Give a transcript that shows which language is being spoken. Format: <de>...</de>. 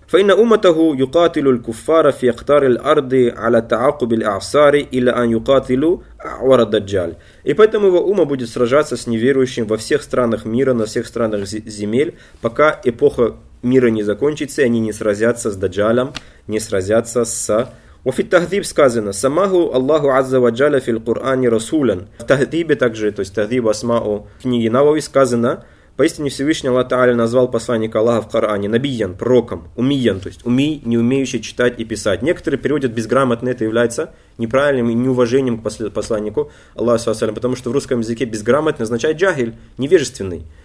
<ar>فَإِنَّ أُمَّتَهُ يُقَاتِلُ الْكُفَّارَ فِي أَقْطَارِ الْأَرْضِ عَلَى تَعَاقُبِ الْأَعْصَارِ إِلَّا أَنْ يُقَاتِلُوا أَعْوَرَ الدَّجَّالِ.</ar> <ru>И поэтому его ума будет сражаться с неверующим во всех странах мира, на всех странах земель, пока эпоха мира не закончится, и они не сразятся с даджалем, не сразятся с...</ru> <ar>وفي التهذيب</ar> <ru>сказано</ru> <ar>سماه الله عز وجل في القرآن رسولا.</ar> <ru>В тахдибе также, то есть тахдиб Асмау в книге Навави сказано, поистине Всевышний Аллах Та'аля назвал посланника Аллаха в Коране набиян, пророком, умиян, то есть умий, не умеющий читать и писать. Некоторые переводят безграмотно, это является неправильным и неуважением к посланнику Аллаха, потому что в русском языке безграмотно означает джахиль, невежественный.</ru>